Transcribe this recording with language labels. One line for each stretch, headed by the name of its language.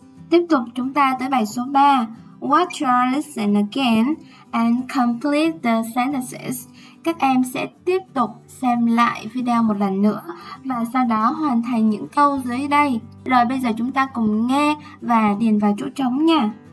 Vietnamese: Tiếp tục chúng ta tới bài số 3.
English: Watch your lesson again and complete the sentences.
Vietnamese: Các em sẽ tiếp tục xem lại video một lần nữa và sau đó hoàn thành những câu dưới đây. Rồi bây giờ chúng ta cùng nghe và điền vào chỗ trống nha.